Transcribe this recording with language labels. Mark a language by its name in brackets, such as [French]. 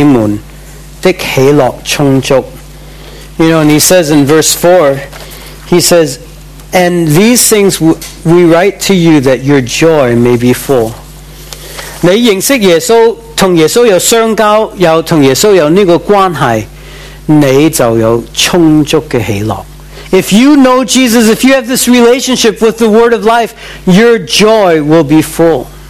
[Chinese] 弟兄姊妹，我们看到在这本书里面，生命之道第四节讲明，我们将这些话写给你们，使你们的喜乐充足。 [English] You know, and he says in verse 4, he says, and these things we write to you that your joy may be full. [Chinese] 你认识耶稣，同耶稣有相交，又同耶稣有这个关系，你就有充足的喜乐。 [English] If you know Jesus, if you have this relationship with the Word of Life, your joy will be full.